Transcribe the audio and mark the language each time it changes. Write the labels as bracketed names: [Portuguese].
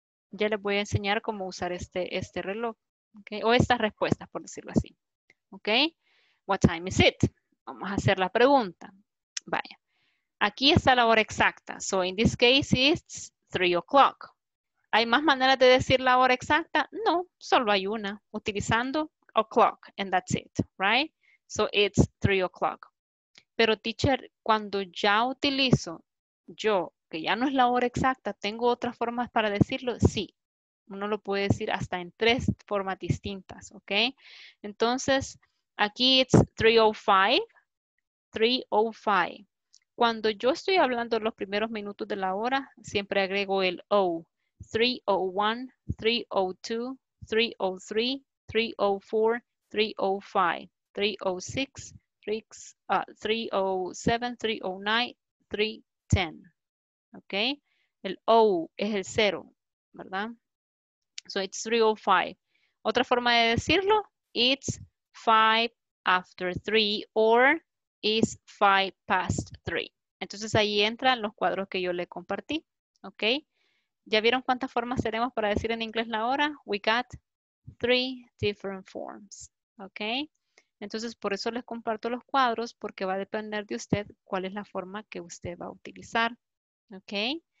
[Spanish] Ya les voy a enseñar cómo usar este reloj. Okay, o estas respuestas, por decirlo así. Okay, [English] what time is it? [Spanish] Vamos a hacer la pregunta. Vaya. Aquí está la hora exacta. [English] So in this case, it's 3 o'clock. [Spanish] ¿Hay más maneras de decir la hora exacta? No, solo hay una, utilizando o'clock, [English] and that's it, right? So it's 3 o'clock. [Spanish] Pero teacher, cuando ya utilizo yo, que ya no es la hora exacta, ¿tengo otras formas para decirlo? Sí, uno lo puede decir hasta en tres formas distintas, ¿ok? Entonces, aquí [English] it's 3:05. [Spanish] Cuando yo estoy hablando los primeros minutos de la hora, siempre agrego el O. [English] 3:01, 3:02, 3:03, 3:04, 3:05, 3:06, 3:07, 3:09, 3:10. ¿Ok? [Spanish] El O es el cero, ¿verdad? [English] So it's 3:05. [Spanish] Otra forma de decirlo, [English] it's 5 after 3 or it's 5 past 3. [Spanish] Entonces ahí entran los cuadros que yo le compartí, ¿ok? ¿Ya vieron cuántas formas tenemos para decir en inglés la hora? [English] We got 3 different forms, [Spanish] ¿ok? Entonces por eso les comparto los cuadros, porque va a depender de usted cuál es la forma que usted va a utilizar, ¿ok?